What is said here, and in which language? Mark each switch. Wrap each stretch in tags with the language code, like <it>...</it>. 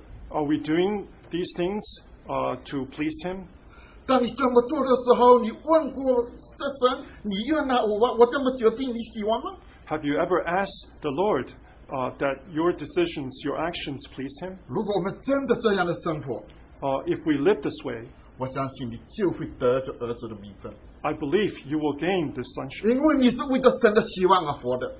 <en>Are we doing these things to please Him?</en> <zh>当你这么做的时候,你问过这神,你愿啊,我这么决定,你喜欢吗?</zh> <en>Have you ever asked the Lord that your decisions, your actions please Him?</en> <zh>如果我们真的这样的生活,</zh> <en>if we live this way,</en> <zh>我相信你就会得着儿子的名分。</zh> <en>I believe you will gain this sonship.</en> <zh>因为你是为着神的希望而活的。</zh>